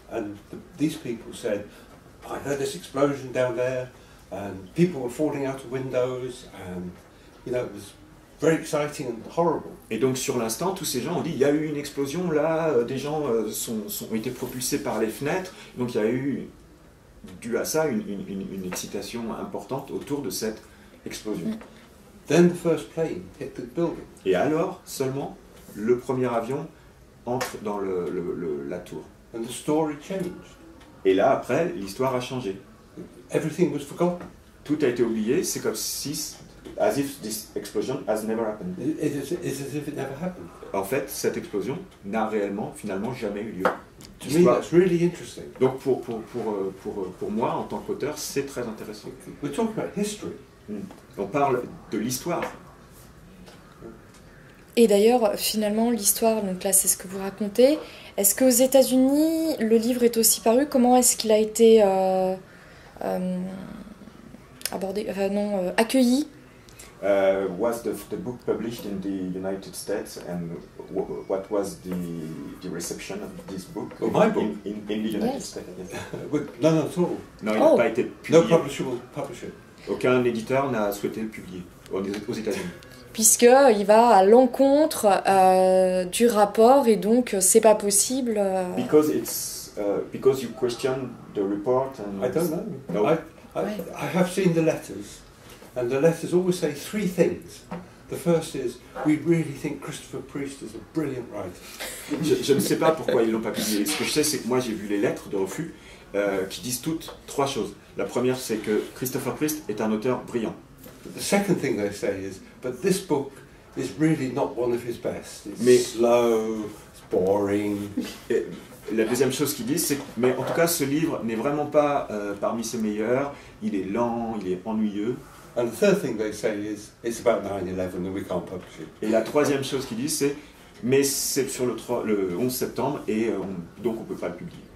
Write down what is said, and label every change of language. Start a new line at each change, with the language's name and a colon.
English: And these people said, I heard this explosion down there, and people were falling out of windows, and you know, it was very exciting and horrible.
French: Et donc sur l'instant, tous ces gens ont dit, il y a eu une explosion là, des gens ont été propulsés par les fenêtres, donc il y a eu, dû à ça, une excitation importante autour de cette explosion.
English: Then the first plane hit the building.
French: Et alors seulement le premier avion entre dans la tour.
English: And the story changed.
French: Et là après l'histoire a changé.
English: Everything was forgotten.
French: Tout a été oublié. C'est comme si,
English: as if this explosion has never happened. It's as if it never happened.
French: En fait, cette explosion n'a réellement, finalement, jamais eu lieu.
English: To me, that's really interesting.
French: Donc pour moi en tant qu'auteur, c'est très intéressant.
English: We're talking about history.
French: On parle de l'histoire. Et d'ailleurs, finalement, l'histoire, donc là, c'est ce que vous racontez. Est-ce qu'aux États-Unis, le livre est aussi paru? Comment est-ce qu'il a été accueilli?
English: Was the book published in the United States, and what was the reception of this book in the United yes. States? None at all.
French: Non, il n'a pas été publié.
English: No publishable publisher.
French: Aucun éditeur n'a souhaité le publier aux États-Unis. Puisque il va à l'encontre du rapport et donc c'est pas possible.
English: Because it's because you question the report and I don't know. No. I have seen the letters and the letters always say three things. The first is we really think Christopher Priest is a brilliant writer.
French: Je ne sais pas pourquoi ils l'ont pas publié. Ce que je sais, c'est que moi j'ai vu les lettres de refus. Qui disent toutes trois choses. La première, c'est que Christopher Priest est un auteur brillant.
English: The second thing they say is, but this book is really not one of his best. It's slow, it's boring.
French: Et la deuxième chose qu'ils disent, c'est que, mais en tout cas, ce livre n'est vraiment pas parmi ses meilleurs. Il est lent, il est ennuyeux.
English: And the third thing they say is, it's about 9/11 and we can't publish it.
French: Et la troisième chose qu'ils disent, c'est, mais c'est sur le 11 septembre et donc on ne peut pas le publier.